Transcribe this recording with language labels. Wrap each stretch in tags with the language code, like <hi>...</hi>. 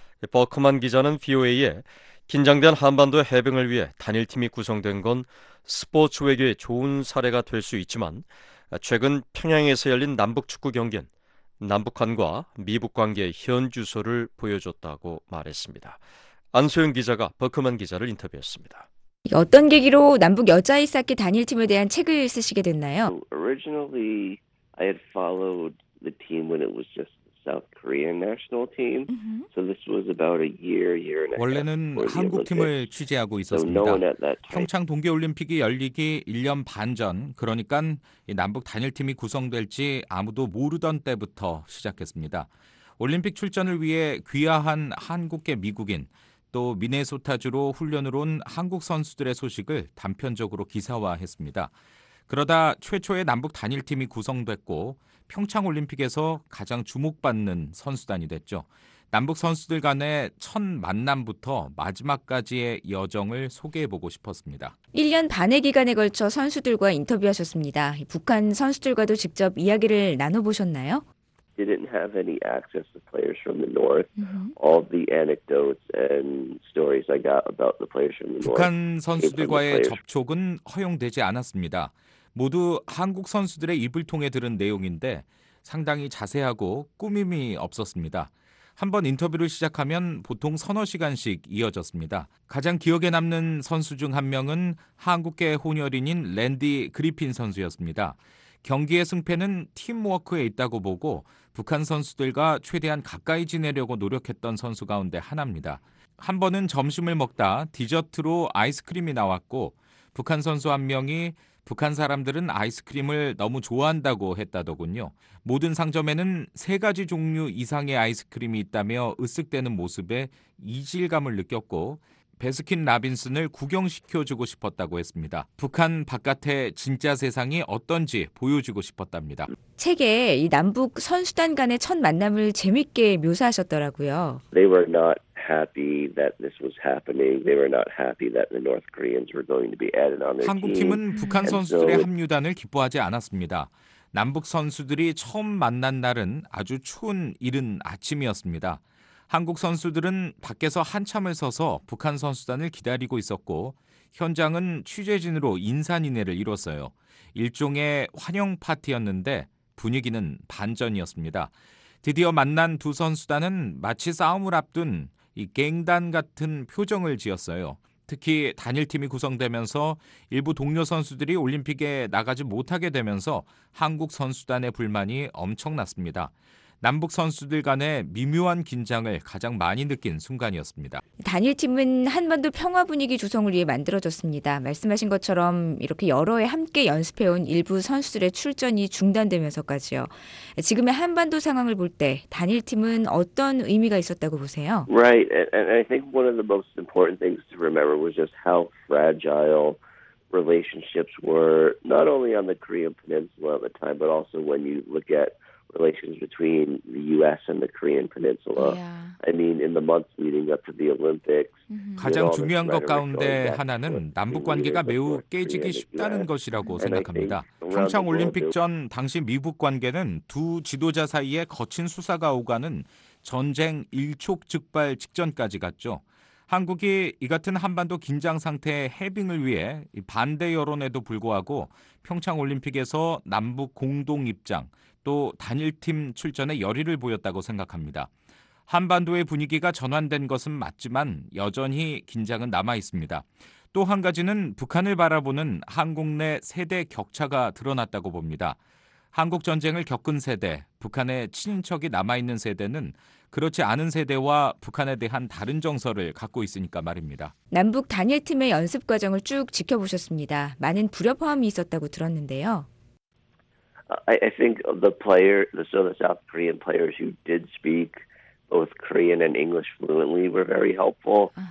<ko>버크만 기자는 VOA에 긴장된 한반도의 해병을 위해 단일팀이 구성된 건 스포츠 외교의 좋은 사례가 될 수 있지만 최근 평양에서 열린 남북축구 경기는 남북한과 미북 관계의 현 주소를 보여줬다고 말했습니다. 안소영 기자가 버크만 기자를 인터뷰했습니다. 어떤 계기로 남북 여자 아이스하키 단일팀에 대한 책을 쓰시게 됐나요?</ko> <en>Originally, I had followed the team when it was just South Korean national team. So this was about a year, year and a half.</en> <ko>원래는 한국 팀을 취재하고 있었습니다. 평창 동계 올림픽이 열리기 1년 반 전, 그러니까 남북 단일팀이 구성될지 아무도 모르던 때부터 시작했습니다. 올림픽 출전을 위해 귀화한 한국계 미국인 또 미네소타주로 훈련을 온 한국 선수들의 소식을 단편적으로 기사화했습니다. 그러다 최초의 남북 단일팀이 구성됐고 평창올림픽에서 가장 주목받는 선수단이 됐죠. 남북 선수들 간의 첫 만남부터 마지막까지의 여정을 소개해보고 싶었습니다. 1년 반의 기간에 걸쳐 선수들과 인터뷰하셨습니다. 북한 선수들과도 직접 이야기를 나눠보셨나요?</ko> <en>They didn't have any access to players from the north. All the anecdotes and stories I got about the players from the north.</en> <ko>북한 선수들과의 접촉은 허용되지 않았습니다. 모두 한국 선수들의 입을 통해 들은 내용인데 상당히 자세하고 꾸밈이 없었습니다. 한번 인터뷰를 시작하면 보통 서너 시간씩 이어졌습니다. 가장 기억에 남는 선수 중 한 명은 한국계 혼혈인인 랜디 그리핀 선수였습니다. 경기의 승패는 팀워크에 있다고 보고 북한 선수들과 최대한 가까이 지내려고 노력했던 선수 가운데 하나입니다. 한 번은 점심을 먹다 디저트로 아이스크림이 나왔고 북한 선수 한 명이 북한 사람들은 아이스크림을 너무 좋아한다고 했다더군요. 모든 상점에는 세 가지 종류 이상의 아이스크림이 있다며 으쓱대는 모습에 이질감을 느꼈고 배스킨 라빈슨을 구경시켜주고 싶었다고 했습니다. 북한 바깥의 진짜 세상이 어떤지 보여주고 싶었답니다. 책에 이 남북 선수단 간의 첫 만남을 재밌게 묘사하셨더라고요.</ko> <en>They were not happy that this was happening. They were not happy that the North Koreans were going to be added on their</en> <ko>한국 팀은 북한 선수들의 합류단을 기뻐하지 않았습니다. 남북 선수들이 처음 만난 날은 아주 추운 이른 아침이었습니다. 한국 선수들은 밖에서 한참을 서서 북한 선수단을 기다리고 있었고 현장은 취재진으로 인산인해를 이뤘어요. 일종의 환영 파티였는데 분위기는 반전이었습니다. 드디어 만난 두 선수단은 마치 싸움을 앞둔 이 갱단 같은 표정을 지었어요. 특히 단일팀이 구성되면서 일부 동료 선수들이 올림픽에 나가지 못하게 되면서 한국 선수단의 불만이 엄청났습니다. 남북 선수들 간의 미묘한 긴장을 가장 많이 느낀 순간이었습니다. 단일팀은 한반도 평화 분위기 조성을 위해 만들어졌습니다. 말씀하신 것처럼 이렇게 여러 해 함께 연습해온 일부 선수들의 출전이 중단되면서까지요. 지금의 한반도 상황을 볼 때 단일팀은 어떤 의미가 있었다고 보세요?</ko> <en>Right, and I think one of the most important things to remember was just how fragile relationships were, not only on the Korean Peninsula at the time, but also when you look at relations between the US and the Korean peninsula. Yeah. I mean in the months leading up to the Olympics.</en> <ko>가장 중요한 것 가운데 하나는 남북 관계가 매우 깨지기 쉽다는 것이라고 생각합니다. 평창 올림픽 전 당시 미북 관계는 두 지도자 사이에 거친 수사가 오가는 전쟁 일촉즉발 직전까지 갔죠. 한국이 이 같은 한반도 긴장 상태의 해빙을 위해 반대 여론에도 불구하고 평창 올림픽에서 남북 공동 입장 또 단일팀 출전에 열의를 보였다고 생각합니다. 한반도의 분위기가 전환된 것은 맞지만 여전히 긴장은 남아있습니다. 또 한 가지는 북한을 바라보는 한국 내 세대 격차가 드러났다고 봅니다. 한국 전쟁을 겪은 세대, 북한의 친인척이 남아있는 세대는 그렇지 않은 세대와 북한에 대한 다른 정서를 갖고 있으니까 말입니다. 남북 단일팀의 연습 과정을 쭉 지켜보셨습니다. 많은 불협화음이 있었다고 들었는데요.</ko> <en>I think the player, so the South Korean players who did speak both Korean and English fluently were very helpful.</en>